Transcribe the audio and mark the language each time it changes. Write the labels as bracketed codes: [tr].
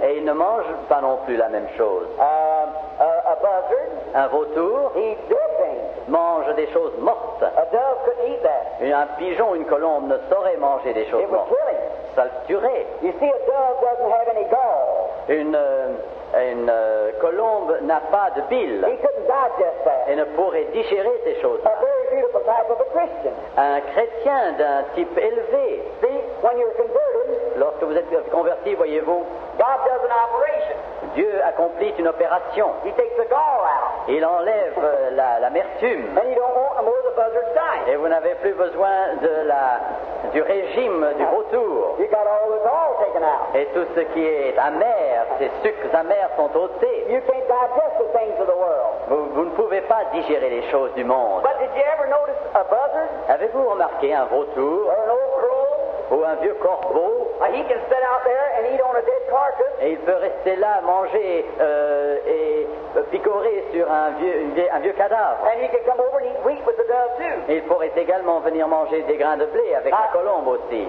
[fr] Et ils ne mangent pas non plus la même chose. [en] A buzzard. [fr] Un vautour. [en] Eat dead things. [fr] Mange des choses mortes. [en] A dove could eat that. [fr] Un pigeon, une colombe ne saurait manger des choses mortes. [en] It would kill it. [fr] Ça le tuerait. [en] You see, a dove doesn't have any gall. [fr] Une colombe n'a pas de bile. [en] He couldn't digest that. [fr] Et ne pourrait digérer ces choses. [en] A very beautiful type of a Christian. [fr] Un chrétien d'un type élevé. [en] See, when you're converted. [fr] Lorsque vous êtes converti, voyez-vous, [en] God does an operation. [fr] Dieu accomplit une opération. [en] He takes the gall out. [fr] Il enlève l'amertume. [en] And you don't want more of the buzzard's diet. [fr] Et vous n'avez plus besoin de du régime du vautour. [en] You got all the gall taken out. [fr] Et tout ce qui est amer, ces sucres amers sont ôtés. [en] You can't digest the things of the world. [fr] Vous ne pouvez pas digérer les choses du monde. [en] But did you ever notice a buzzard? [fr] Avez-vous remarqué un vautour? [en] Or an old crow? [fr] Ou un vieux corbeau. [en] He can sit out there and eat on a dead carcass. [fr] Et il peut rester là, manger et picorer sur un vieux cadavre. [en] And he can come over and eat wheat with the dove too. [fr] Et il pourrait également venir manger des grains de blé avec la colombe aussi.